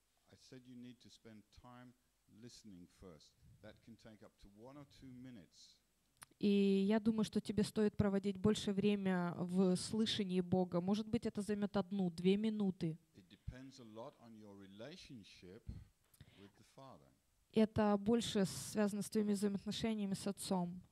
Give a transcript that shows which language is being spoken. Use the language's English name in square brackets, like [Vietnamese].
[English] I said you need to spend time listening first. That can take up to one or two minutes. [Russian] И я думаю, что тебе стоит проводить больше время в слышании Бога. Может быть, это займет 1-2 минуты. [English] It depends a lot on your relationship with the Father. [Russian] Это больше связано с твоими взаимоотношениями с Отцом.